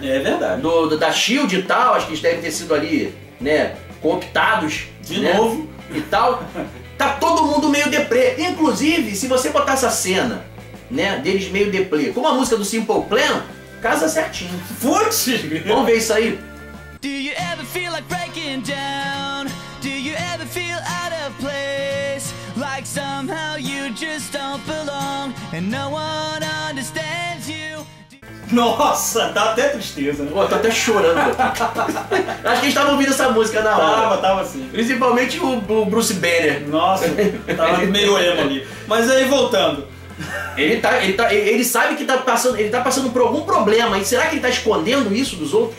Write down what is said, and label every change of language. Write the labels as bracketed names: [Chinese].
[Portuguese] É verdade. Da Shield e tal, acho que eles devem ter sido ali, né? Cooptados. De né, novo. E tal. Tá todo mundo meio deprê. Inclusive, se você botar essa cena, né? Deles meio deprê, como a música do Simple Plan, casa certinho. Putz! Vamos ver isso aí. [English] Do you ever feel like breaking down? Do you ever feel out of place? Like somehow you just don't belong and no one understands you. [Portuguese] Nossa, dá até tristeza, né? Pô, tô até chorando. Acho que a gente tava ouvindo essa música na hora. Tava sim. Principalmente o Bruce Banner. Nossa, tava meio emo ali. Mas aí voltando. Ele sabe que tá passando por algum problema, e será que ele tá escondendo isso dos outros?